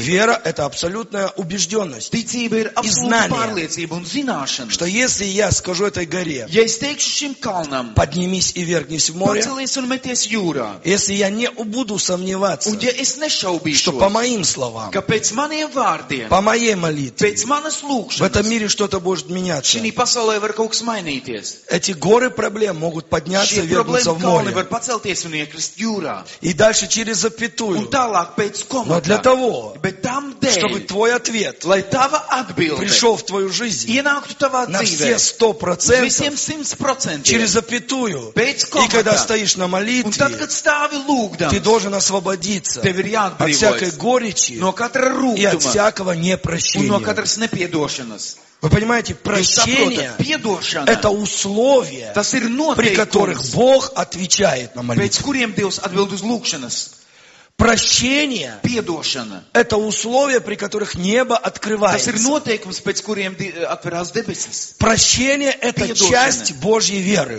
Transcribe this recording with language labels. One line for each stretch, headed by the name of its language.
Russian: Вера – это абсолютная убежденность.
Latvian: Ticība ir absolūta pārliecība un zināšana.
Russian: Что есть Если я скажу этой горе,
Latvian: ja es teikšu šim kalnam,
Russian: поднимись и вернись в море,
Latvian: pacelies un meties jūrā,
Russian: если я не буду сомневаться,
Latvian: un ja es nešaubīšos,
Russian: что по моим словам,
Latvian: ka pēc maniem vārdiem,
Russian: по моей молитве,
Latvian: pēc manas lūkšanas,
Russian: в этом мире что-то может меняться,
Latvian: šī pasaulē var kaut kas mainīties,
Russian: эти горы проблем могут подняться и вернуться в море,
Latvian: kalni var pacelties un iekrist jūrā,
Russian: и дальше через запятую,
Latvian: un tālāk pēc komata,
Russian: но для того,
Latvian: bet tam dēļ,
Russian: чтобы твой ответ,
Latvian: lai tava atbilde,
Russian: пришел в твою жизнь,
Latvian: ienāktu tavā dzīvē,
Russian: Все 100%, через запятую, и когда стоишь на молитве, ты должен освободиться от всякой горечи и от всякого непрощения. Вы понимаете, прощение – это условия, при которых Бог отвечает на молитву. Прощение
Latvian: piedošana.
Russian: Это условие, при которых небо открывается.
Latvian: Tas ir noteikums, pēc kuriem atverās debesis.
Russian: Прощение – это
Latvian: piedošana.
Russian: Часть Божьей веры.